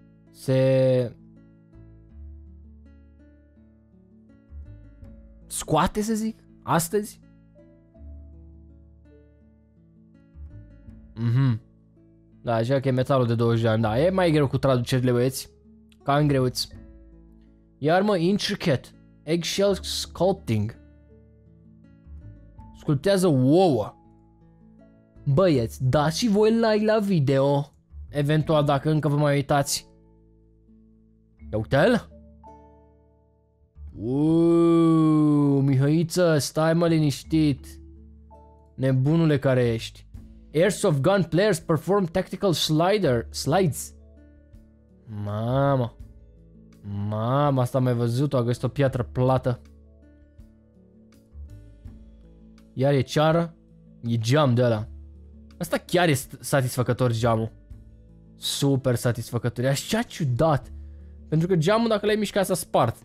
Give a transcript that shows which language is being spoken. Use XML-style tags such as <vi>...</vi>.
<ro>Se scoate, să zic, astăzi. Mhm. Da, așa că e metalul de 20 de ani. Da, e mai greu cu traducerile, băieți. Cam greuți. Iar mă,</ro> <en>intricate eggshell sculpting.</en> <ro>Sculptează ouă. Băieți, dați și voi like la video, eventual dacă încă vă mai uitați. Ia uite-l. Uuuu, Mihăiță, stai mă liniștit. Nebunule care ești.</ro> <en>Airsoft gun players perform tactical slides.</en> <ro>Mama. Mama, asta mai văzut-o, a găsit o piatră plată. Iar e ceară. E geam de ăla. Asta chiar e satisfăcător geamul. Super satisfăcător. E așa ciudat. Pentru că geamul, dacă l-ai mișcat, s-a spart.</ro>